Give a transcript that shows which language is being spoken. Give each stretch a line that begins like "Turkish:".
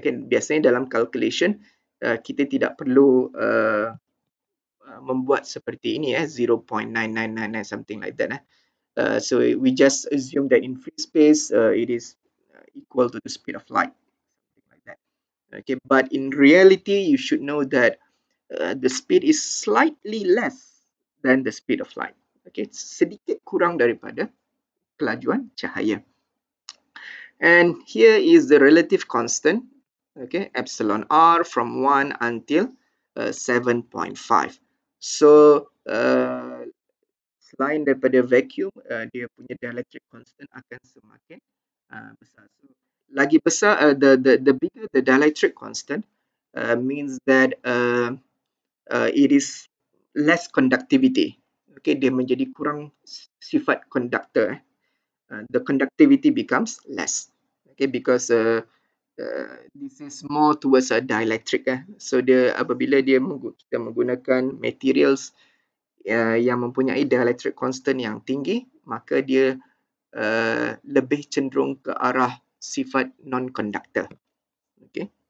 Malay: Okay, biasanya dalam calculation kita tidak perlu membuat seperti ini 0.9999
English: something like that. So we just assume that in free space, it is equal to the speed of light, something like that. Okay, but in reality, you should know that the speed is slightly less than the speed of light.
Malay: Okay, sedikit kurang daripada kelajuan cahaya.
English: And here is the relative constant, okay, epsilon r from 1 until 7.5.
Malay: So selain daripada vacuum, dia punya dielectric constant akan semakin besar.
English: So,
Malay: lagi besar,
English: the bigger the dielectric constant means that it is less conductivity.
Malay: Okay, dia menjadi kurang sifat conductor.
English: The conductivity becomes less. Okay, because this is more towards a dielectric.
Malay: So apabila kita menggunakan materials yang mempunyai dielectric constant yang tinggi, maka dia lebih cenderung ke arah sifat non-conductor. Okay.